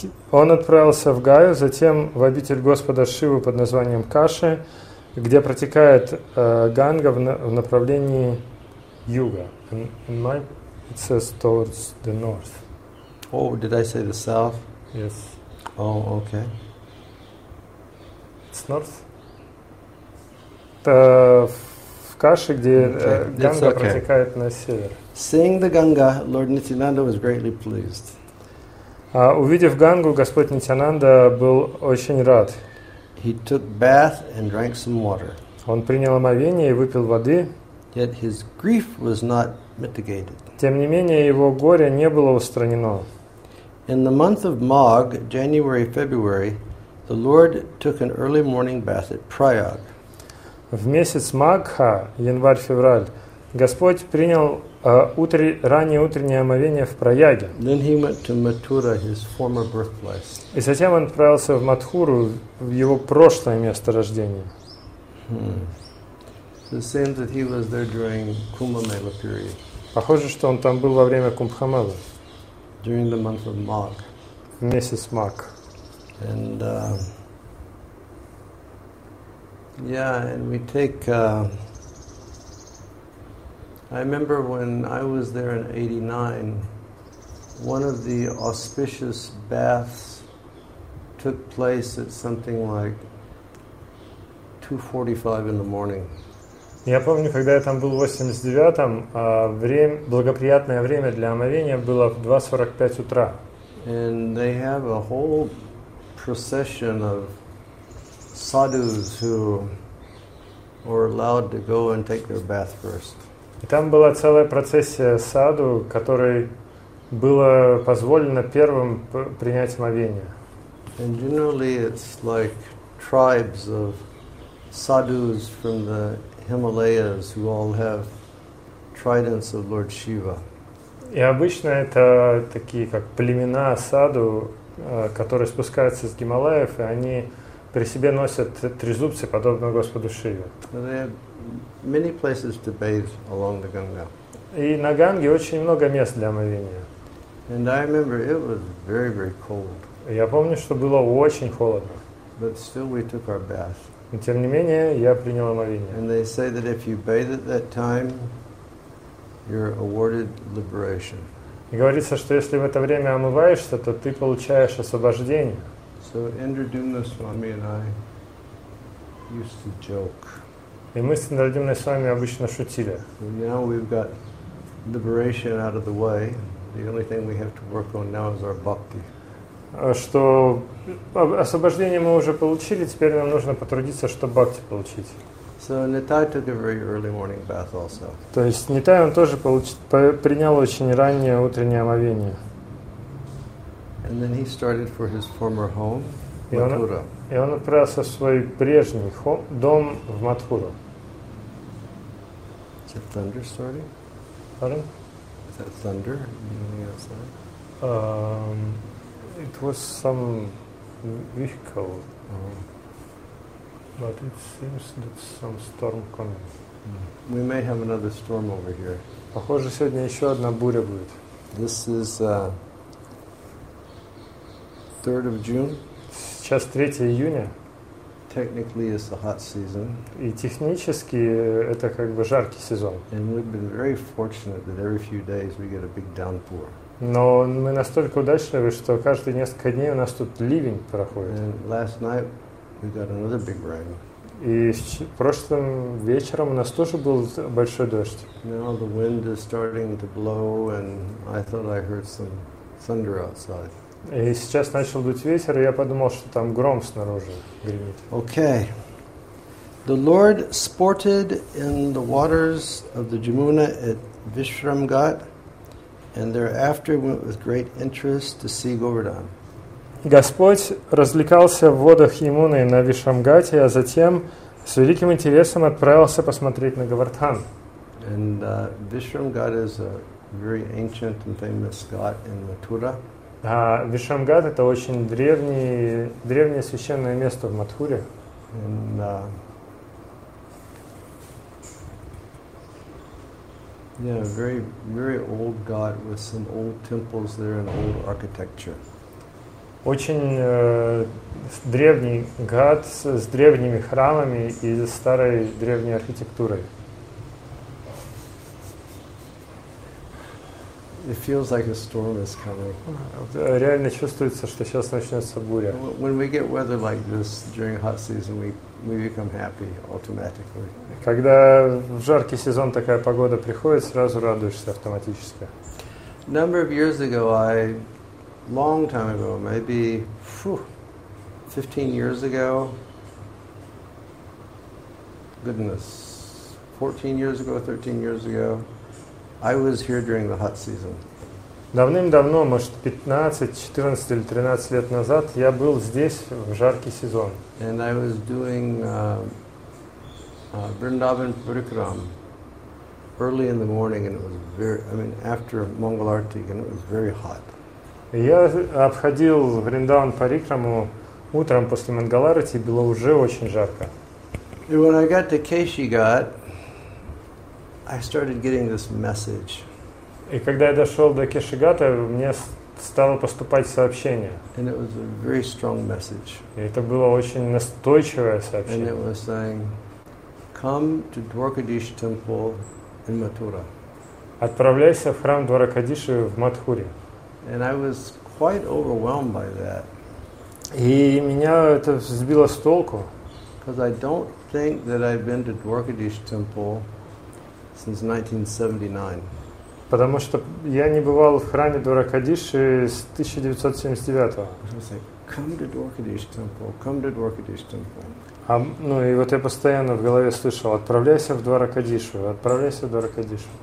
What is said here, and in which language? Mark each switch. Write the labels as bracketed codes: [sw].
[ru] Он отправился в Гаю, затем в обитель Господа Шивы под названием Каши, где протекает Ганга в направлении юга. [en] And it says towards the north. Oh, did I say the south? Yes. Oh, okay. It's north. [ru] Это в Каши, где Ганга протекает на север. [en] Seeing the Ganga, Lord Nityananda was greatly pleased. [ru] Увидев Гангу, Господь Нитянанда был очень рад. [en] He took bath and drank some water. [ru] Он принял омовение и выпил воды. [en] Yet his grief was not mitigated. [ru] Тем не менее, его горе не было устранено. [en] In the month of Magh, January, February, the Lord took an early morning bath at Prayag. [ru] В месяц Магха, январь-февраль, Господь принял раннее утреннее омовение в Праяге. [en] Then he went to Mathura, his former birthplace. [ru] И затем он отправился в Матхуру, в его прошлое место рождения. [en] So it seems that he was there during Kumbhamela period. [ru] Похоже, что он там был во время Кумбхамелы. [en] During the month of Magh. [ru] В месяц Магх. [en] And and we take. I remember when I was there in 89, one of the auspicious baths took place at something like 2:45 in the morning. [ru] Я помню, когда я там был в 89-м, благоприятное время для омовения было в 2:45 утра. [en] And they have a whole procession of sadhus who were allowed to go and take their bath first. [ru] И там была целая процессия саду, которой было позволено первым принять омовение. [en] And generally it's like tribes of sadhus from the Himalayas who all have tridents of Lord Shiva. [ru] И обычно это такие как племена саду, которые спускаются с Гималаев, и они при себе носят трезубцы, подобные Господу Шиве. [en] Many places to bathe along the Ganga. [ru] И на Ганге очень много мест для омовения. [en] And I remember it was very, very cold. [ru] Я помню, что было очень холодно. [en] But still we took our bath. [ru] Но тем не менее я принял омовение. [en] And they say that if you bathe at that time, you're awarded liberation. [ru] И говорится, что если в это время омываешься, то ты получаешь освобождение. [en] So Indra Dumna Swami and I used to joke. [ru] И мы с Индрадюмной с вами обычно шутили. [en] Now we've got liberation out of the way. The only thing we have to work on now is our bhakti. [ru] Что освобождение мы уже получили, теперь нам нужно потрудиться, чтобы бхакти получить. [en] So Nitai took a very early morning bath also. [ru] То есть Нитай он тоже принял очень раннее утреннее омовение. [en] And then he started for his former home. [ru] И он отправился в свой прежний дом в Матхуру. [en] Is it thunder starting? Pardon? Is that thunder? Anything outside? It was some vehicle. Uh-huh. But it seems that some storm coming. Mm-hmm. We may have another storm over here. [ru] Похоже, сегодня еще одна буря будет. [en] This is 3rd of June. [ru] Сейчас 3 июня. [en] Technically it's a hot season. [ru] И технически это как бы жаркий сезон. [en] And we've been very fortunate that every few days we get a big downpour. [ru] Но мы настолько удачливы, что каждые несколько дней у нас тут ливень проходит. [en] And last night we got another big rain. [ru] И прошлым вечером у нас тоже был большой дождь. [en] Now the wind is starting to blow and I thought I heard some thunder outside. [ru] И сейчас начал дуть ветер, и я подумал, что там гром снаружи гремит. [en] Okay. The Lord sported in the waters of the Jamuna at Vishramghat, and thereafter went with great interest to see Govardhan. [ru] Господь развлекался в водах Ямуны на Вишрамгате, а затем с великим интересом отправился посмотреть на Говардхан. [en] And Vishramghat is a very ancient and famous ghat in Mathura. [ru] Вишрамгат это очень древнее священное место в Матхуре. [en] And, very, very old god with some old temples there and old architecture. [ru] Очень древний гад с древними храмами и старой древней архитектурой. [en] It feels like a storm is coming. [ru] Реально чувствуется, что сейчас начнется буря. [en] When we get weather like this during hot season, we become happy automatically. [ru] Когда в жаркий сезон такая погода приходит, сразу радуешься автоматически. [en] Number of years ago, long time ago, maybe 15 years ago. Goodness, 14 years ago, 13 years ago. I was here during the hot season. [ru] Давным-давно, может, 15, 14 или 13 лет назад, я был здесь в жаркий сезон. [en] And I was doing Vrindavan Parikram early in the morning, and it was after Mangal Arati, and it was very hot. [ru] Я обходил Вриндаван Парикраму утром после Мангал Арати, и было уже очень жарко. [en] And when I got to Кешигат, I started getting this message. [ru] И когда я дошел до Кешигата, мне стало поступать сообщение. [en] And it was a very strong message. [ru] И это было очень настойчивое сообщение. [en] And it was saying, come to Dwarkadish temple in Mathura. [ru] Отправляйся в храм Дваракадиши в Матхуре. [en] And I was quite overwhelmed by that. [ru] И меня это сбило с толку. [en] Because I don't think that I've been to Dwarkadish temple since 1979. [ru] Потому что я не бывал в храме Дваракадиши с 1979. [en] Come to Dwarkadish temple, come to Dwarkadish temple. [ru] Ну и вот я постоянно в голове слышал: отправляйся в Дваракадишу, отправляйся в Дваракадишу.